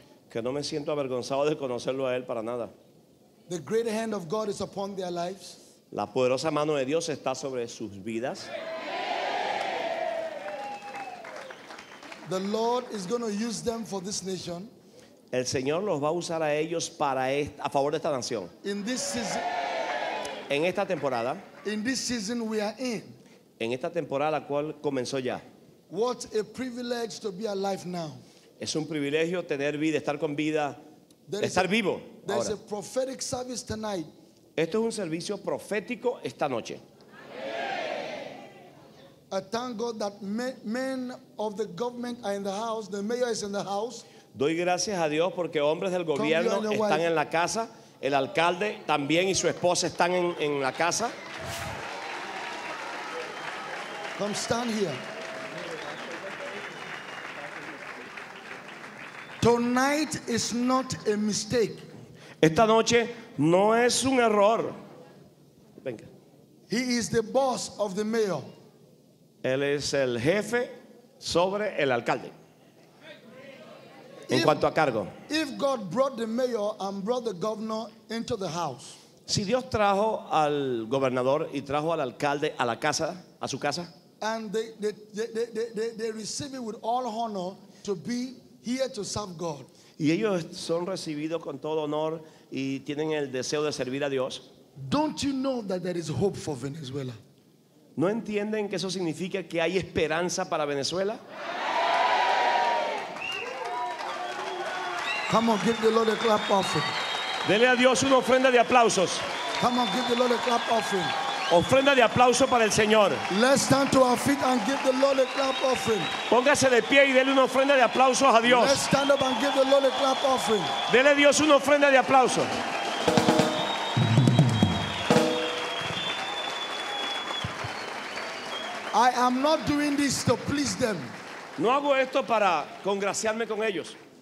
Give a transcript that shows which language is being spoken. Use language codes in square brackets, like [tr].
[es] Que no me siento avergonzado de conocerlo a él para nada. [en] The great hand of God is upon their lives. [es] La poderosa mano de Dios está sobre sus vidas. [en] The Lord is going to use them for this nation. [es] El Señor los va a usar a ellos para a favor de esta nación. [en] In this season. [es] En esta temporada. [en] In this season we are in. [es] En esta temporada la cual comenzó ya. [en] What a privilege to be alive now. [es] Es un privilegio tener vida, estar con vida, estar vivo. [en] There's a prophetic service tonight. [es] Esto es un servicio profético esta noche. [en] I thank God that men of the government are in the house. The mayor is in the house. [es] Doy gracias a Dios porque hombres del gobierno están en la casa. El alcalde también y su esposa están en la casa. [en] Come stand here. Tonight is not a mistake. [es] Esta noche no es un error. Venga. [en] He is the boss of the mayor. [es] Él es el jefe sobre el alcalde. En cuanto a cargo. [en] If God brought the mayor and brought the governor into the house. [es] Si Dios trajo al gobernador y trajo al alcalde a la casa, a su casa. [en] And they receive it with all honor to be here to serve God. [es] Y ellos son recibidos con todo honor y tienen el deseo de servir a Dios. [en] Don't you know that there is hope for Venezuela? [es] ¿No entienden que eso significa que hay esperanza para Venezuela? [en] Come on, give the Lord a clap offering. [es] Dele a Dios una ofrenda de aplausos. [en] Come on, give the Lord a clap offering. [es] Ofrenda de aplauso para el Señor. [en] Let's stand to our feet and give the Lord a clap offering. [es] Póngase de pie y dele una ofrenda de aplausos a Dios. [en] Let's stand up and give the Lord a clap offering. [es] Dele a Dios una ofrenda de aplausos. [en] I am not doing this to please them. [es] No hago esto para congraciarme con ellos.